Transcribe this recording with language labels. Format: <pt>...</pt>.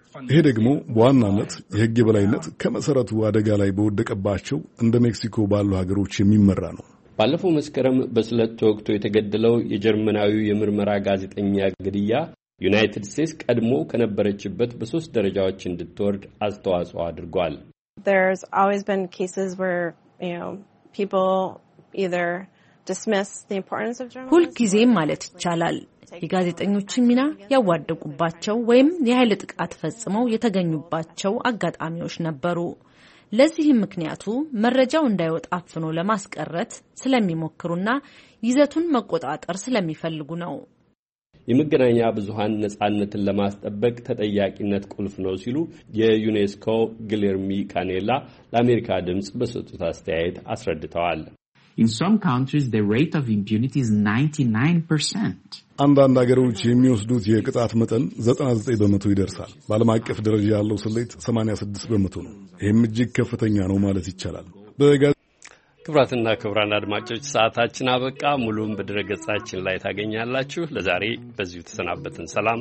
<am>ይሄ ደግሞ በዋናነት የህግ የበላይነት ከመሰረቱ አደጋ ላይ በወደቀባቸው እንደ ሜክሲኮ ባሉ ሀገሮች የሚመራ ነው። ባለፈው መስከረም በስለት ተወግቶ የተገደለው የጀርመናዊው የምርመራ ጋዜጠኛ ግድያ ዩናይትድ ስቴትስ ቀድሞ ከነበረችበት በሶስት ደረጃዎች እንድትወርድ አስተዋጽኦ አድርጓል።</am> <en>There's always been cases where, people either dismiss the importance of journalism.</en> <am>ሁልጊዜም ማለት ይቻላል የጋዜጠኞችን ሚና ያዋደቁባቸው ወይም የኃይል ጥቃት ፈጽመው የተገኙባቸው አጋጣሚዎች ነበሩ። ለዚህም ምክንያቱ መረጃው እንዳይወጣ አፍኖ ለማስቀረት ስለሚሞክሩና ይዘቱን መቆጣጠር ስለሚፈልጉ ነው። የመገናኛ ብዙሃን ነጻነትን ለማስጠበቅ ተጠያቂነት ቁልፍ ነው ሲሉ የዩኔስኮ ግሌርሚ ካኔላ ለአሜሪካ ድምጽ በሰጡት አስተያየት አስረድተዋል።</am> <en>In some countries the rate of impunity is 99%.</en> <am>አንዳንድ ሀገሮች የሚወስዱት የቅጣት መጠን 99% ይደርሳል። ባለም አቀፍ ደረጃ ያለው ስሌት 86% ነው። ይህም እጅግ ከፍተኛ ነው ማለት ይቻላል። ክብራትና ክብራን አድማጮች ሰዓታችን አበቃ። ሙሉን በድረገጻችን ላይ ታገኛላችሁ። ለዛሬ በዚሁ ተሰናበትን። ሰላም።</am>